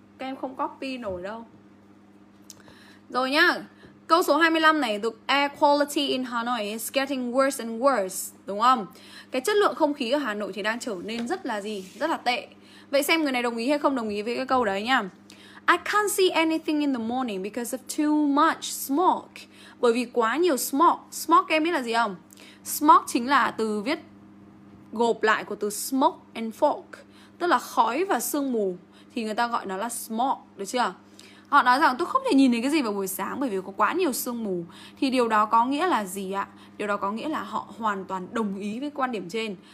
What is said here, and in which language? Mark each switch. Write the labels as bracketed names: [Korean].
[Vietnamese] Các em không copy nổi đâu. Rồi nhá. Câu số 25 này, [English] the air quality in Hanoi is getting worse and worse, [Vietnamese] đúng không? Cái chất lượng không khí ở Hà Nội thì đang trở nên rất là gì? Rất là tệ. Vậy xem người này đồng ý hay không đồng ý với cái câu đấy nhá. [English] I can't see anything in the morning because of too much smog. [Vietnamese] Bởi vì quá nhiều smog. Smog em biết là gì không? Smog chính là từ viết gộp lại của từ [English] smoke and fog, [Vietnamese] tức là khói và sương mù, thì người ta gọi nó là smog, được chưa? Họ nói rằng tôi không thể nhìn thấy cái gì vào buổi sáng bởi vì có quá nhiều sương mù. Thì điều đó có nghĩa là gì ạ? Điều đó có nghĩa là họ hoàn toàn đồng ý với quan điểm trên.